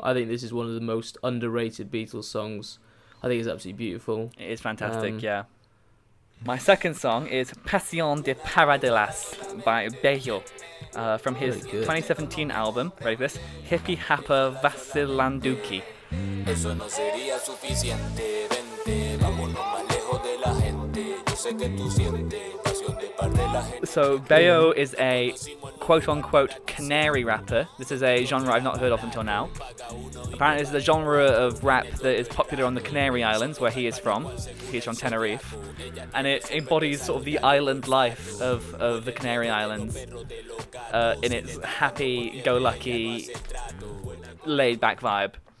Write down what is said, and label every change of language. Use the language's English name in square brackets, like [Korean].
[English] I think this is one of the most underrated Beatles songs. I think it's absolutely beautiful. It is fantastic, yeah. My second song is Passion de Paradelas by Bello from his 2017 album, ready for this, Hippie Happer Vasilanduki. [Spanish] Eso no sería suficiente, vente, vámonos más lejos de la gente, yo sé que tú sientes. [English] So Bello is a quote-unquote canary rapper. This is a genre I've not heard of until now. Apparently it's a genre of rap that is popular on the Canary Islands, where he is from. He's from Tenerife. And it embodies sort of the island life of the Canary Islands in its happy-go-lucky, laid-back vibe.